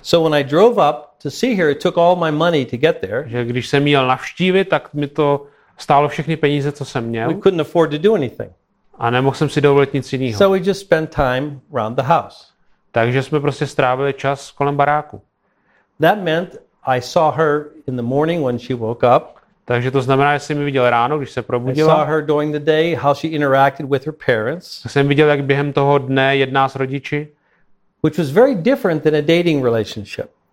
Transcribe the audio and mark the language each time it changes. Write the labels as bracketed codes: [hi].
[en] So when I drove up to see her, it took all my money to get there. [cs] Že když jsem jel navštívit, tak mi to stálo všechny peníze, co jsem měl. [en] We couldn't afford to do anything. [cs] A nemohl jsem si dovolit nic jiného. [en] So we just spent time around the house. [cs] Takže jsme prostě strávili čas kolem baráku. [en] That meant I saw her in the morning when she woke up. [cs] Takže to znamená, že jsem ji viděl ráno, když se probudila. [en] I saw her during the day, how she interacted with her parents. [cs] Tak jsem viděl, jak během toho dne jedná s rodiči. [en] Which was very different than a dating relationship.